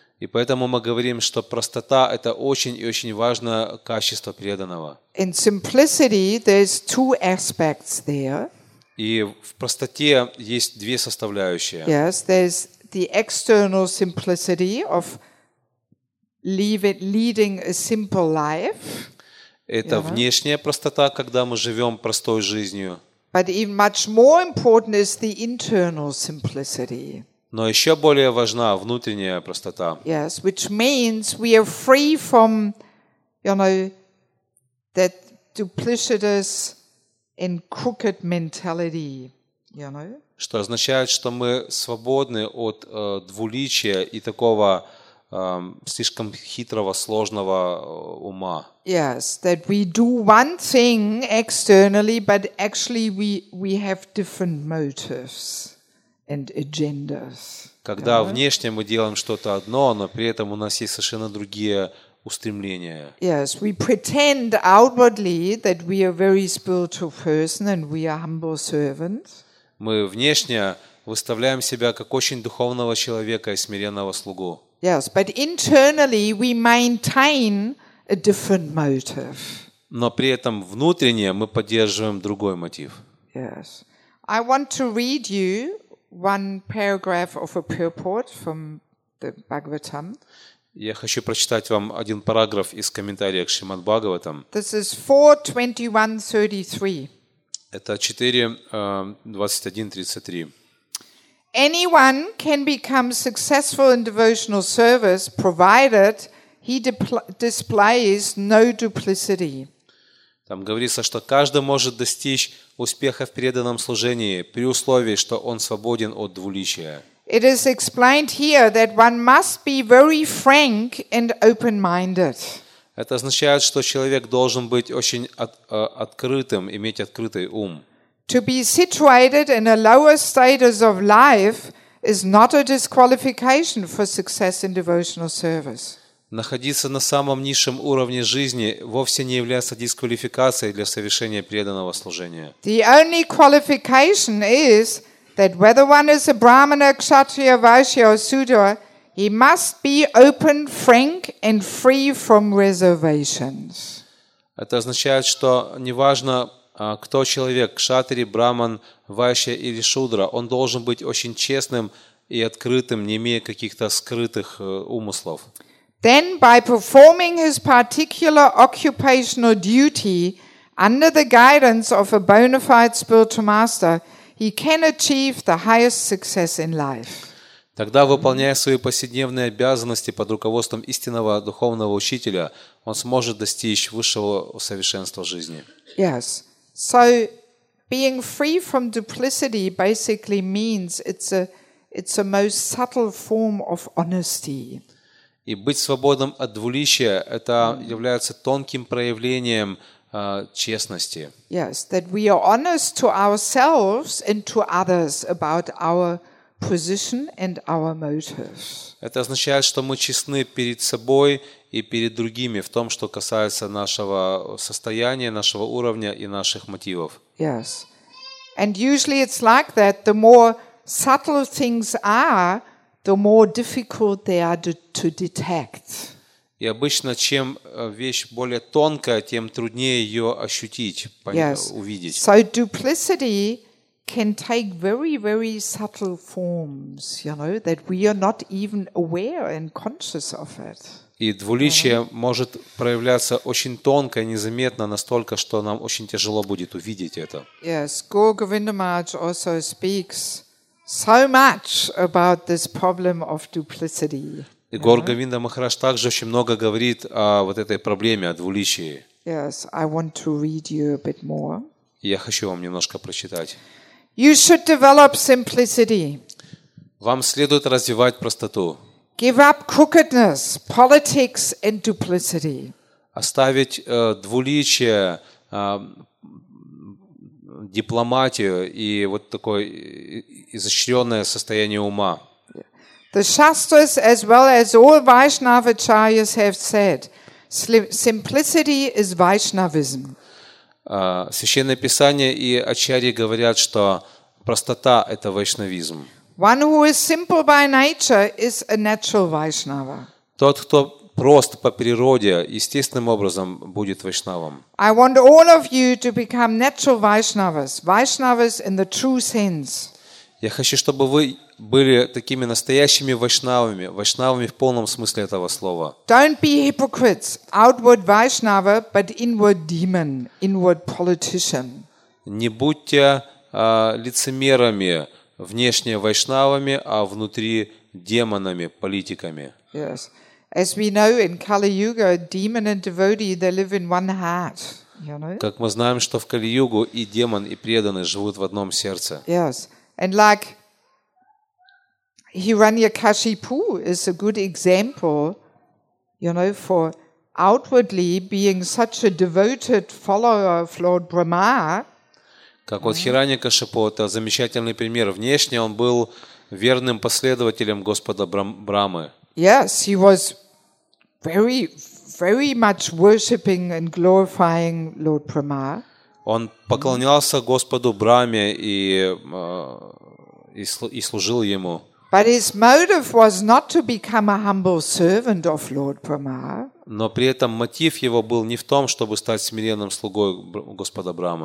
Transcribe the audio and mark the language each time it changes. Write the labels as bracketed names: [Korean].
[Russian] И поэтому мы говорим, что простота – это очень и очень важное качество преданного. [English] In simplicity, there's two aspects there. [Russian] И в простоте есть две составляющие. [English] Yes, there's the external simplicity of leading a simple life. [Russian] Это yeah. внешняя простота, когда мы живем простой жизнью. [English] But even much more important is the internal simplicity. [Russian] Но еще более важна внутренняя простота. [English] Yes, which means we are free from, you know, that duplicitous and crooked mentality, you know. [Russian] Что означает, что мы свободны от двуличия и такого слишком хитрого, сложного ума. [English] Yes, that we do one thing externally, but actually we have different motives. And agendas. [Russian] Когда внешне мы делаем что-то одно, но при этом у нас есть совершенно другие устремления. [English] Yes, we pretend outwardly that we are a very spiritual person and we are humble servants. [Russian] Мы внешне выставляем себя как очень духовного человека и смиренного слугу. [English] Yes, but internally we maintain a different motive. [Russian] Но при этом внутренне мы поддерживаем другой мотив. [English] Yes. I want to read you one paragraph of a purport from the Bhagavatam. [Russian] Я хочу прочитать вам один параграф из комментария к Шримад Бхагаватам. [English] This is 4:21-33. [Russian] Это 4:21-33. [English] Anyone can become successful in devotional service, provided he displays no duplicity. [Russian] Там говорится, что каждый может достичь успеха в преданном служении при условии, что он свободен от двуличия. [English] It is explained here that one must be very frank and open-minded. [Russian] Это означает, что человек должен быть очень открытым, иметь открытый ум. [English] To be situated in a lower status of life is not a disqualification for success in devotional service. [Russian] Находиться на самом низшем уровне жизни вовсе не является дисквалификацией для совершения преданного служения. [English] The only qualification is that whether one is a brahmana, kshatriya, vaishya or sudra, he must be open, frank and free from reservations. [Russian] Это означает, что неважно, кто человек, кшатри, браман, вайшья или шудра, он должен быть очень честным и открытым, не имея каких-то скрытых умыслов. [English] Then by performing his particular occupational duty under the guidance of a bona fide spiritual master, he can achieve the highest success in life. [Russian] Тогда, выполняя свои повседневные обязанности под руководством истинного духовного учителя, он сможет достичь высшего совершенства жизни. [English] Yes. So being free from duplicity basically means it's a most subtle form of honesty. [Russian] И быть свободным от двуличия – это является тонким проявлением честности. [English] Yes, that we are honest to ourselves and to others about our position and our motives. [Russian] Это означает, что мы честны перед собой и перед другими в том, что касается нашего состояния, нашего уровня и наших мотивов. [English] Yes. And usually it's like that. The more subtle things are, the more difficult they are to detect. [Russian] И обычно, чем вещь более тонкая, тем труднее ее ощутить, [English] yes. [Russian] увидеть. [English] So duplicity can take very, very subtle forms, you know, that we are not even aware and conscious of it. [Russian] И двуличие может проявляться очень тонко и незаметно, настолько, что нам очень тяжело будет увидеть это. [English] Yes, Guru Govinda Maharaj also speaks so much about this problem of duplicity. [Russian] Игорь Говинда Махарадж также очень много говорит о вот этой проблеме, о двуличии. [English] Yes, I want to read you a bit more. [Russian] Я хочу вам немножко прочитать. [English] You should develop simplicity. [Russian] Вам следует развивать простоту. [English] Give up crookedness, politics and duplicity. [Russian] Оставить двуличие, дипломатию и вот такое изощренное состояние ума. [English] The Shastras as well as all Vaishnava Acharyas have said, simplicity is Vaishnavism. [Russian] Священное Писание и Ачарьи говорят, что простота – это вайшнавизм. [English] One who is simple by nature is a natural Vaishnava. [Russian] Тот, кто прост по природе, естественным образом будет вайшнавом. [English] I want all of you to become natural Vaishnavas, Vaishnavas in the true sense. [Russian] Я хочу, чтобы вы были такими настоящими вайшнавами, вайшнавами в полном смысле этого слова. [English] Don't be hypocrites, outward Vaishnava, but inward demon, inward politician. [Russian] Не будьте лицемерами, внешне вайшнавами, а внутри демонами, политиками. [English] Yes. As we know in Kali Yuga, demon and devotee, they live in one heart. You know? [Russian] Как мы знаем, что в Кали-Югу и демон, и преданный живут в одном сердце. [English] Yes. And like Hiranyakashipu is a good example, you know, for outwardly being such a devoted follower of Lord Brahma. [Russian] Как вот Хираньякашипу, это замечательный пример. Внешне он был верным последователем Господа Брамы. [English] Yes, he was very, very much worshipping and glorifying Lord Brahma. [Russian] Он поклонялся Господу Браме и служил ему. [English] But his motive was not to become a humble servant of Lord Brahma. [Russian] Но при этом мотив его был не в том, чтобы стать смиренным слугой Господа Брамы.